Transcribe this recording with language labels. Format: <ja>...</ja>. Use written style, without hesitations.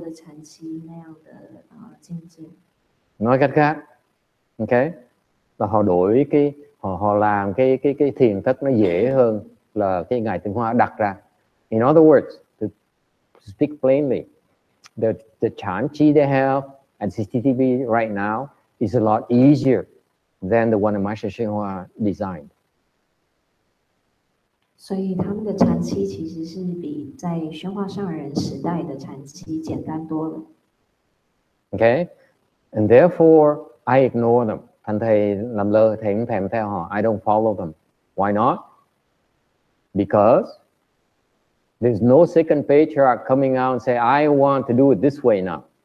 <zh>比如说，在万佛城所做的禅期是不像宣化上人以前所做的禅期那样的精进。</zh> <vi>Nói cách khác, OK, là họ đổi họ làm cái thiền thất nó dễ hơn là cái ngài Tinh Hoa đặt ra.</vi> <en>In other words, to speak plainly, the Chan Chi they have at CCTV right now is a lot easier than the one that Master Shen Hua designed.</en> <zh>所以他们的禅期其实是比在宣化上人时代的禅期简单多了。Okay,</zh> <en>and therefore I ignore them.</en> <vi>Thành thầy làm lơ thầy không thèm theo họ.</vi> <en>I don't follow them. Why not? Because there's no second patriarch coming out and say I want to do it this way now.</en>